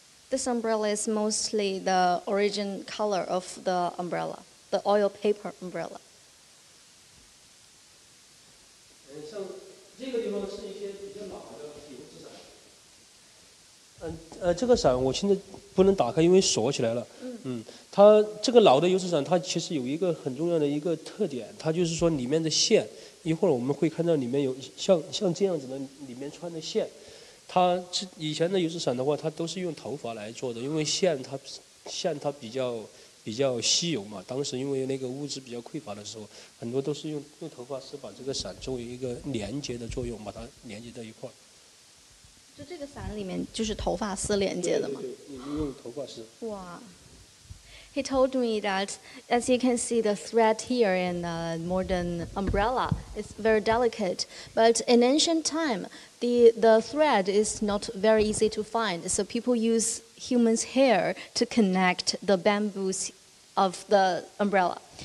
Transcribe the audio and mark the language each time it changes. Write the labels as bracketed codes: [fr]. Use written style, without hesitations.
[en] This umbrella is mostly the origin color of the umbrella, the oil paper umbrella. [zh] 这个地方是一些比较老的。这个伞我现在不能打开，因为锁起来了。它这个老的油纸伞，它其实有一个很重要的一个特点，它就是说里面的线，一会儿我们会看到里面有像这样子的里面穿的线。它以前的油纸伞的话，它都是用头发来做的，因为线它比较稀有嘛，当时因为那个物质比较匮乏的时候，很多都是用头发丝把这个伞作为一个连接的作用，把它连接在一块儿。就这个伞里面就是头发丝连接的吗？对，用头发丝。哇。 [en] He told me that, as you can see the thread here in the modern umbrella, it's very delicate. But in ancient time, the thread is not very easy to find. So people use human's hair to connect the bamboos of the umbrella.